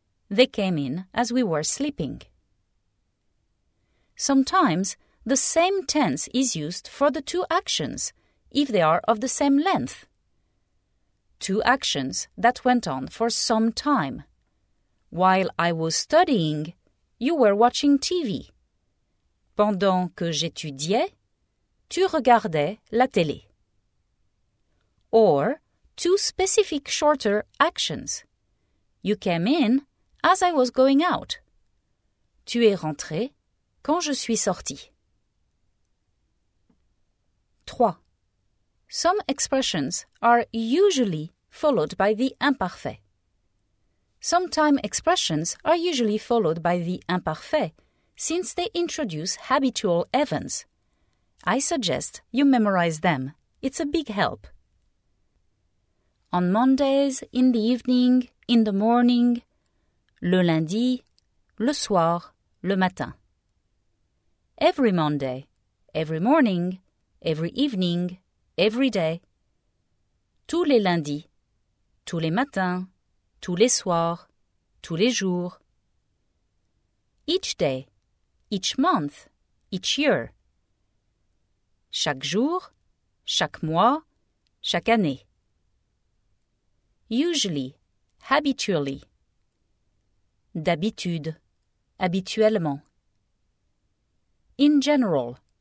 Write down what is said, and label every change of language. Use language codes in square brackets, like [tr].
[en] They came in as we were sleeping. Sometimes the same tense is used for the two actions, if they are of the same length. Two actions that went on for some time. While I was studying, you were watching TV. [fr] Pendant que j'étudiais, tu regardais la télé. [en] Or two specific shorter actions. You came in as I was going out. [fr] Tu es rentré quand je suis sorti. [en] 3. Some expressions are usually followed by the imparfait. Sometime expressions are usually followed by the imparfait since they introduce habitual events. I suggest you memorize them. It's a big help. On Mondays, in the evening, in the morning, [fr] le lundi, le soir, le matin. [en] Every Monday, every morning, every evening, every day. [fr] Tous les lundis, tous les matins, tous les soirs, tous les jours. [en] Each day, each month, each year. [fr] Chaque jour, chaque mois, chaque année. [en] Usually, habitually. [fr] D'habitude, habituellement. [en] In general.